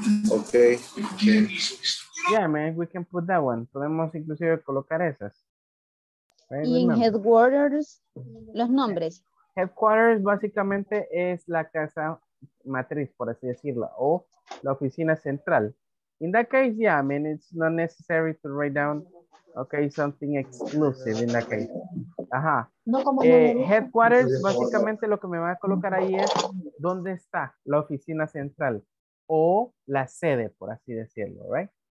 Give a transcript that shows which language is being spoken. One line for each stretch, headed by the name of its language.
English: Okay. Yeah, man, we can put that one.
Spanish: Podemos inclusive colocar esas. Right, ¿y en headquarters los nombres? Headquarters básicamente es la casa matriz, por así decirlo, o la oficina central.
English: In that case, yeah, I mean, it's not necessary to write down. Okay, something exclusive in that case. Ajá.
Spanish: No, como headquarters, básicamente lo que me va a colocar ahí es dónde está la oficina central o la sede, por así decirlo, right?